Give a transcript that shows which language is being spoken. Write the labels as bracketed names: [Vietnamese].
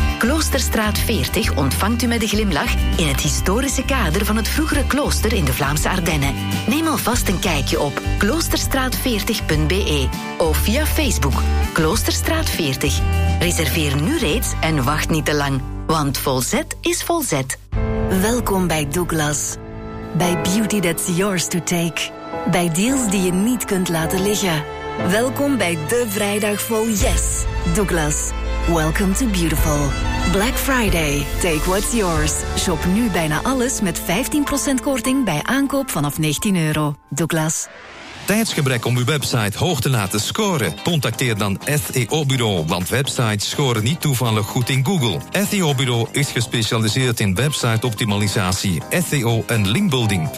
[Dutch] Kloosterstraat 40 ontvangt u met een glimlach in het historische kader van het vroegere klooster in de Vlaamse Ardennen. Neem alvast een kijkje op kloosterstraat40.be of via Facebook Kloosterstraat 40. Reserveer nu reeds en wacht niet te lang, want volzet is volzet. Welkom bij Douglas. Bij [English] beauty that's yours to take. [Dutch] Bij deals die je niet kunt laten liggen. Welkom bij de vrijdag vol yes, Douglas. [English] Welcome to beautiful. Black Friday, take what's yours. [Dutch] Shop nu bijna alles met 15% korting bij aankoop vanaf 19 euro. Douglas. Tijdsgebrek om uw website hoog te laten scoren? Contacteer dan SEO Bureau, want websites scoren niet toevallig goed in Google. SEO Bureau is gespecialiseerd in website-optimalisatie, SEO en linkbuilding.